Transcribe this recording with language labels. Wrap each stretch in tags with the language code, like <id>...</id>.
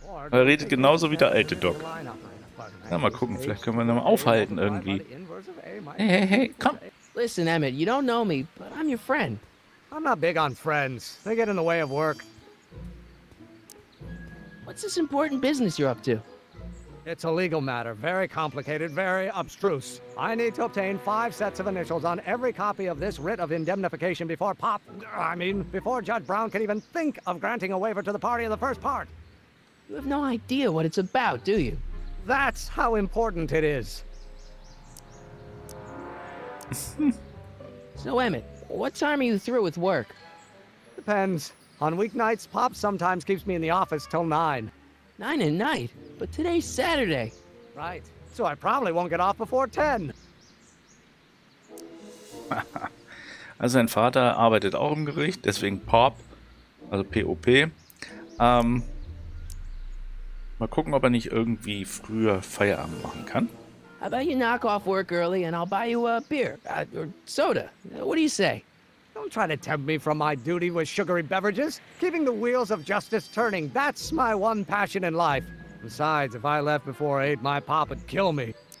<de>Er redet genauso wie der alte Doc. Na, mal gucken, vielleicht können wir ihn mal aufhalten irgendwie. Hey, hey, hey, komm.</de> <en>Listen, Emmett, you don't know me, but I'm your friend. I'm not big on friends. They get in the way of work. What's this important business you're up to? It's a legal matter. Very complicated, very abstruse. I need to obtain 5 sets of initials on every copy of this writ of indemnification before before Judge Brown can even think of granting a waiver to the party in the first part. You have no idea what it's about, do you? That's how important it is. So, Emmett, what time are you through with work? Depends. On weeknights, Pop sometimes keeps me in the office till 9. 9 at night? But today's Saturday. Right. So I probably won't get off before 10.</en> <de>Also sein Vater arbeitet auch im Gericht, deswegen Pop, also P-O-P. Mal gucken, ob er nicht irgendwie früher Feierabend machen kann.</de> <en>How about you knock off work early and I'll buy you a beer, or soda. What do you say? Don't try to tempt me from my duty with sugary beverages. Keeping the wheels of justice turning, that's my one passion in life. Besides, if I left before 8, my pop would kill me.</en>